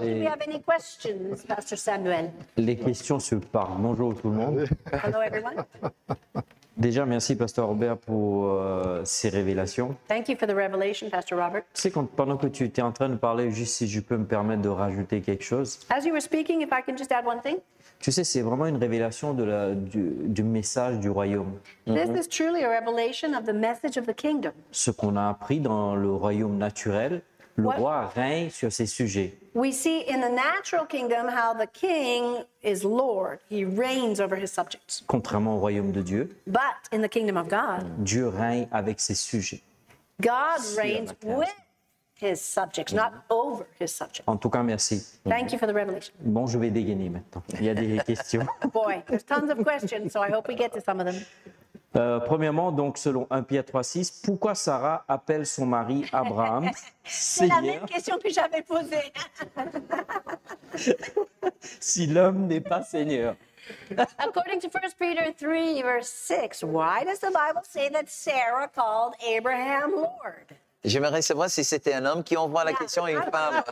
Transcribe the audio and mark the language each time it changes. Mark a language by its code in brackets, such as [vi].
[en] Do we have any questions, Pastor Samuel? [fr] Les questions se parlent. Bonjour tout le monde. [en] Hello everyone. [fr] Déjà, merci, Pasteur Robert, pour ces révélations. [en] Thank you for the revelation, Pastor Robert. [fr] Tu sais, pendant que tu étais en train de parler, juste si je peux me permettre de rajouter quelque chose. [en] As you were speaking, if I can just add one thing. [fr] Tu sais, c'est vraiment une révélation du message du royaume. [en] This is truly a revelation of the message of the kingdom. [fr] Ce qu'on a appris dans le royaume naturel, le roi règne sur ces sujets. [en] We see in the natural kingdom how the king is Lord. He reigns over his subjects. [fr] Contrairement au royaume de Dieu. [en] But in the kingdom of God. [fr] Dieu règne avec ses sujets. [en] God reigns with his subjects, not over his subjects. [fr] En tout cas, merci. [en] Thank you for the revelation. [fr] Bon, je vais dégainer maintenant. Il y a des questions. [en] Boy, there's tons of questions, so I hope we get to some of them. [fr] Premièrement, donc, selon 1 Pierre 3:6, pourquoi Sarah appelle son mari Abraham C'est la même question que j'avais posée. Si l'homme n'est pas Seigneur. [en] According to 1 Peter 3, verse 6, why does the Bible say that Sarah called Abraham Lord? [fr] J'aimerais savoir si c'était un homme qui envoie la question à une femme.